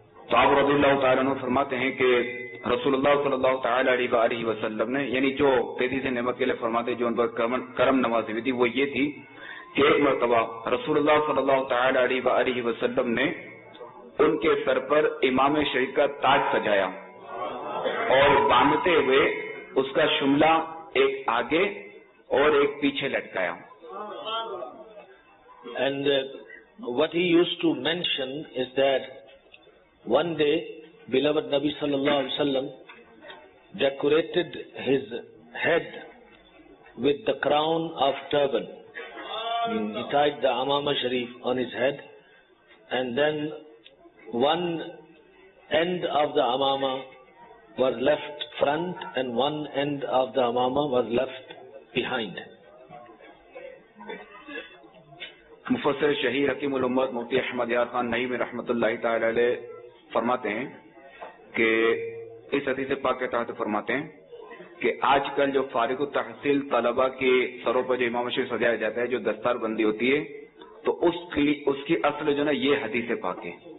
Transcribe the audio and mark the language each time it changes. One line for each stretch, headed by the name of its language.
Urdu: صحابہ رضی اللہ تعالیٰ عنہ فرماتے ہیں کہ رسول اللہ صلی اللہ تعالیٰ علیہ وسلم نے، یعنی جو تیزی سے نعمت کے لیے فرماتے، جو ان پر کرم نوازی ہوئی تھی، وہ یہ تھی کہ ایک مرتبہ رسول اللہ صلی اللہ تعالیٰ علیہ وسلم نے ان کے سر پر امام شریف کا تاج سجایا اور باندھتے ہوئے اس کا شملہ ایک آگے اور ایک پیچھے لٹکایا.
English: And what he used to mention is that one day beloved Nabi sallallahu alaihi wasallam decorated his head with the crown of turban. He tied the amama sharif on his head and then one end of the amama was left front and one end of the amama was left behind.
Urdu: مفسر شہیر حکیم الامت مفتی احمد یار خان نعیمی رحمۃ اللہ تعالی علیہ فرماتے ہیں کہ اس حدیث پاک کے تحت فرماتے ہیں کہ آج کل جو فارغ التحصیل طلبہ کے سروں پر جو امام شریف سجایا جاتا ہے، جو دستار بندی ہوتی ہے، تو اس کی اصل جو نا یہ حدیث پاک ہے.